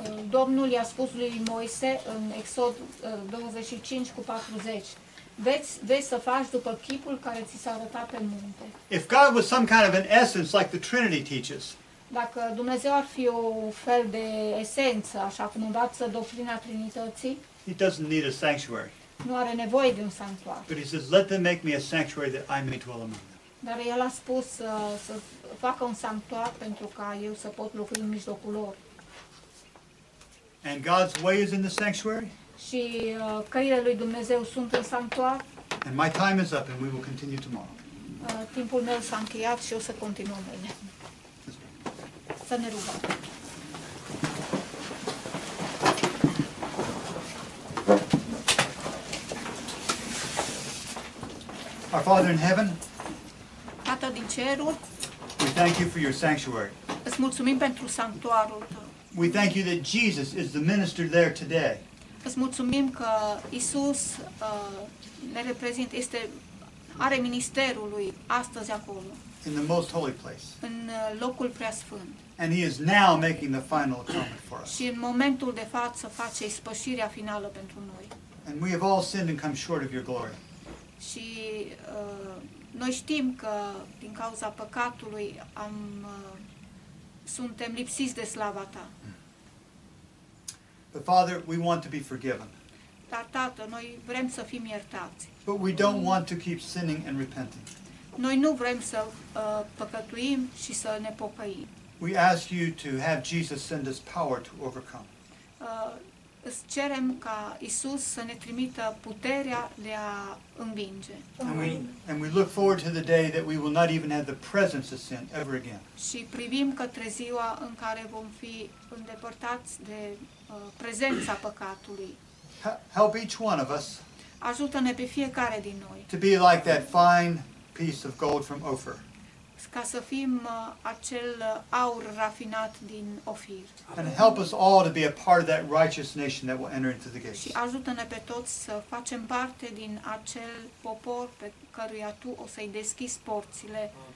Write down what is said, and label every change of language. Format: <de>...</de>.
<ro>Domnul i-a spus lui Moise în Exod 25:40. Vei să faci după chipul care ți s-a arătat pe munte.</ro> <en>If God was some kind of an essence like the Trinity teaches.</en> <ro>Dacă Dumnezeu ar fi o fel de esență, așa cum învață doctrina Trinității.</ro> <en>He doesn't need a sanctuary.</en> <ro>Nu are nevoie de un sanctuar.</ro> <en>But he says, let them make me a sanctuary that I may dwell among them.</en> <ro>Dar el a spus să facă un sanctuar pentru ca eu să pot locui în mijlocul lor.</ro> <en>And God's way is in the sanctuary.</en> <ro>Și căile lui Dumnezeu sunt în sanctuar.</ro> <en>And my time is up and we will continue tomorrow.</en> <ro>Timpul meu s-a încheiat și o să continuăm mâine. Să ne rugăm.</ro> <en>Our Father in heaven.</en> <ro>Tată din ceruri.</ro> <en>We thank you for your sanctuary.</en> <ro>Îți mulțumim pentru sanctuarul tău.</ro> <en>We thank you that Jesus is the minister there today.</en> <ro>Îți mulțumim că Isus ne reprezintă, este are ministerul lui astăzi acolo.</ro> <en>In the most holy place.</en> <ro>În locul preasfânt.</ro> <en>And he is now making the final atonement for us.</en> <ro>Și în momentul de față face ispășirea finală pentru noi.</ro> <en>And we have all sinned and come short of your glory.</en> <ro>Și noi știm că din cauza păcatului am suntem lipsiți de slava ta.</ro> <en>But Father, we want to be forgiven.</en> <ro>Dar Tată, noi vrem să fim iertați.</ro> <en>But we don't want to keep sinning and repenting.</en> <ro>Noi nu vrem să păcătuim și să ne pocăim.</ro> <en>We ask you to have Jesus send us power to overcome.</en> <ro>Îți cerem ca Isus să ne trimită puterea de a învinge.</ro> <en>And we look forward to the day that we will not even have the presence of sin ever again.</en> <ro>Și privim către ziua în care vom fi îndepărtați de prezența păcatului.</ro> <en>Help each one of us.</en> <ro>Ajută-ne pe fiecare din noi.</ro> <en>To be like that fine piece of gold from Ophir.</en> <ro>Ca să fim acel aur rafinat din Ofir.</ro> <en>And help us all to be a part of that righteous nation that will enter into the gates.</en> <ro>Și ajută-ne pe toți să facem parte din acel popor pe căruia tu o să-i deschizi porțile.</ro>